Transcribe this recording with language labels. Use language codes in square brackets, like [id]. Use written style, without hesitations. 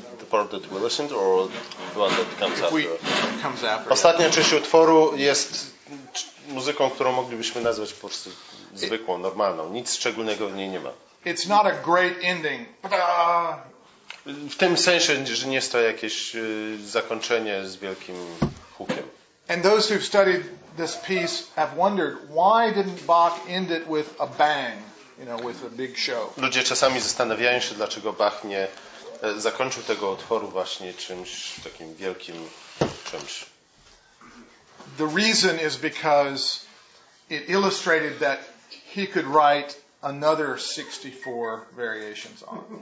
[en] Part that we listened, or one that comes after. [pl] Ostatnia część utworu jest muzyką, którą moglibyśmy nazwać po prostu zwykłą, normalną. Nic szczególnego w niej nie ma. [en] It's not a great ending. [pl] W tym sensie, że nie jest to jakieś zakończenie z wielkim hukiem. [en] And those who've studied this piece have wondered why didn't Bach end it with a bang. you know, with a big show. [pl] Ludzie czasami zastanawiają się, dlaczego Bach nie zakończył tego otworu właśnie czymś takim wielkim czymś. [en] The reason is because it illustrated that he could write another 64 variations on.